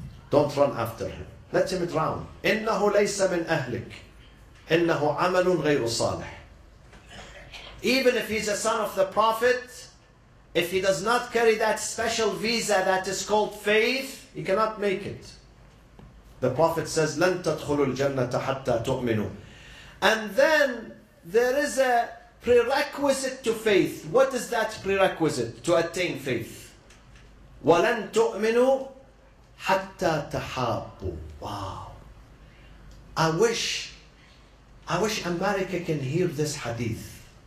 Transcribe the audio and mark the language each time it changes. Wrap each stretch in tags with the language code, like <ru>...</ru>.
<en>Don't run after him. Let him drown.</en> <ar>إِنَّهُ لَيْسَ مِنْ أَهْلِكَ إِنَّهُ عَمَلٌ غَيْرُ صَالِحٍ.</ar> <en>Even if he's a son of the Prophet, if he does not carry that special visa that is called faith, he cannot make it. The Prophet says,</en> <ar>لَنْ تَدْخُلُوا الْجَنَّةَ حَتَّى تُؤْمِنُوا.</ar> <en>And then there is a prerequisite to faith. What is that prerequisite to attain faith?</en> <ar>وَلَنْ تُؤْمِنُوا حَتَّى تَحَابُوا.</ar> <en>Wow. I wish America can hear this hadith.</en>